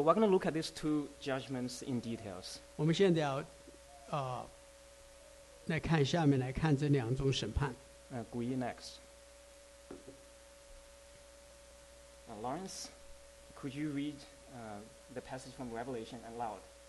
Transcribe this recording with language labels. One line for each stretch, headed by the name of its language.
English: we're going to look at these two judgments in details.
Chinese: 我们现在要来看这两种审判。Gui
English: next. Lawrence, could you read the passage from Revelation aloud?